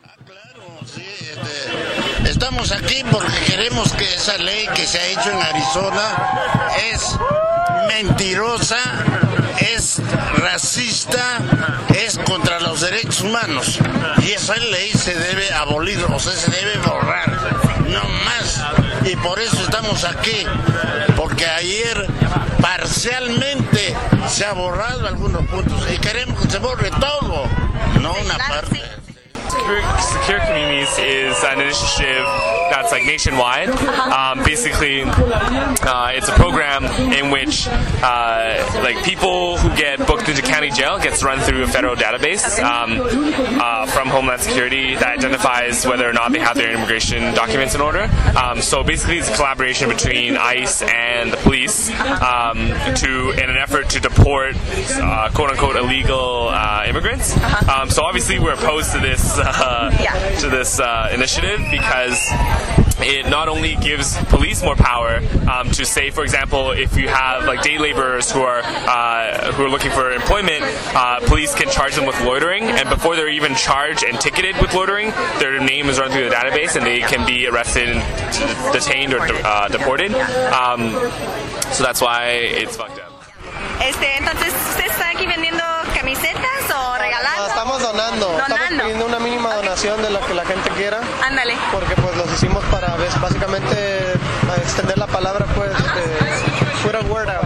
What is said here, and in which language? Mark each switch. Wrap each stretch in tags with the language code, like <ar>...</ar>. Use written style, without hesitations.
<es>Ah, claro, sí, estamos aquí porque queremos que esa ley que se ha hecho en Arizona es mentirosa, es racista, es contra los derechos humanos, y esa ley se debe abolir, o sea, se debe borrar, no más. Y por eso estamos aquí, porque ayer parcialmente se ha borrado algunos puntos y queremos que se borre todo, no una parte.</es> <en>Secure Communities is an initiative that's like nationwide. Basically, it's a program in which like people who get booked into county jail gets run through a federal database from Homeland Security that identifies whether or not they have their immigration documents in order. So basically, it's a collaboration between ICE and the police in an effort to deport quote-unquote illegal immigrants. So obviously, we're opposed to this initiative, because it not only gives police more power to say, for example, if you have like day laborers who are looking for employment, police can charge them with loitering, and before they're even charged and ticketed with loitering, their name is run through the database and they can be arrested and detained or deported. So that's why it's fucked up.</en> <es>Entonces, ¿usted está aquí vendiendo camisetas o regalando? Estamos donando. ¿Donando? Estamos pidiendo una mínima donación de la que la gente quiera. Ándale. Porque pues los hicimos para básicamente extender la palabra, pues, fuera huerta.</es>